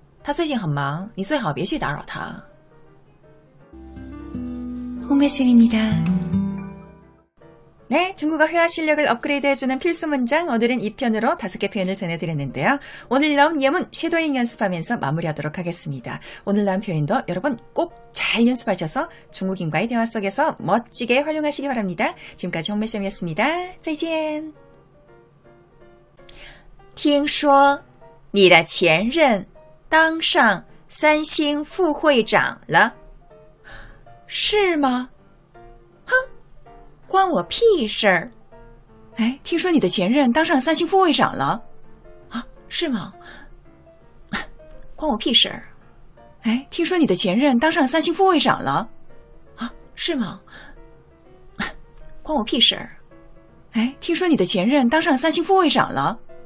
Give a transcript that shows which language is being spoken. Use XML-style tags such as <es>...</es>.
<zh>他最近很忙，你最好别去打扰他。他最近很忙，你最好别去打扰他。</zh> <ko>홍혜진입니다. 네, 중국어 회화 실력을 업그레이드해주는 필수 문장, 오늘은 이 편으로 5개 표현을 전해드렸는데요. 오늘 나온 예문 쉐도잉 연습하면서 마무리하도록 하겠습니다. 오늘 나온 표현도 여러분 꼭 잘 연습하셔서 중국인과의 대화 속에서 멋지게 활용하시기 바랍니다. 지금까지 홍혜진이었습니다.</ko> <zh>再见. 听说你的前任当上三星副会长了？是吗？哼，关我屁事儿！哎，听说你的前任当上三星副会长了？啊，是吗？关我屁事儿！哎，听说你的前任当上三星副会长了？啊，是吗？关我屁事儿！哎，听说你的前任当上三星副会长了？</zh>